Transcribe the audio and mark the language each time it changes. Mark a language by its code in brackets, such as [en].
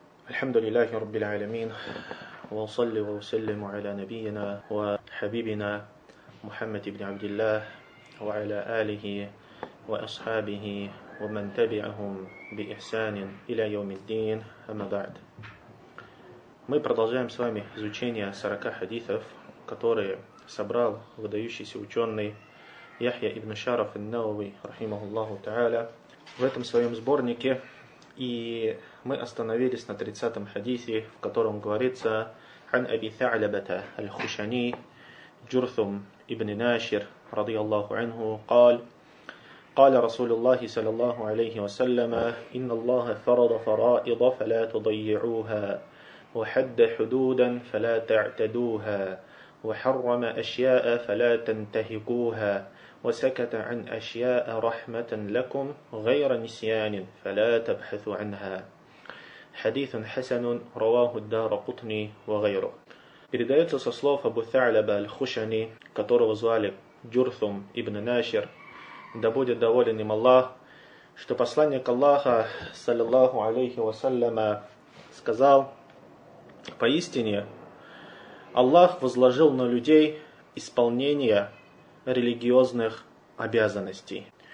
[ar] الحمد لله رب العالمين وصلي وسلم على نبينا وحبيبنا محمد بن عبد الله وعلى آله وأصحابه ومن تبعهم بإحسان إلى يوم الدين أما بعد. [ru] Мы продолжаем с вами изучение 40 хадисов, которые собрал выдающийся ученый Яхья ибн Шараф ан-Науви [ar] رحمه الله تعالى [ru] в этом своем сборнике. И мы остановились на 30-м хадисе, в котором говорится «Ан Аби Тха'лабата Аль-Хушани Джурсум Ибн Нашир, [ar] ради Аллаху анху, قال رسول الله صلى الله عليه وسلم إن الله فرض فرائض فلا تضيعوها وحد حدودا فلا تعتدوها وحرم أشياء فلا تنتهكوها وسكت عن أشياء رحمة لكم غير نسيان فلا تبحثوا عنها حديث حسن رواه الدارقطني وغيره. [ru] Передается со слов Абу Тха'лаба аль-Хушани, которого звали Джурсум ибн Нашир, да будет доволен им Аллах, что посланник Аллаха, [ar] саллиллаху алейхи вассаляма, [ru] сказал: «Поистине, Аллах возложил на людей исполнение религиозных обязанностей.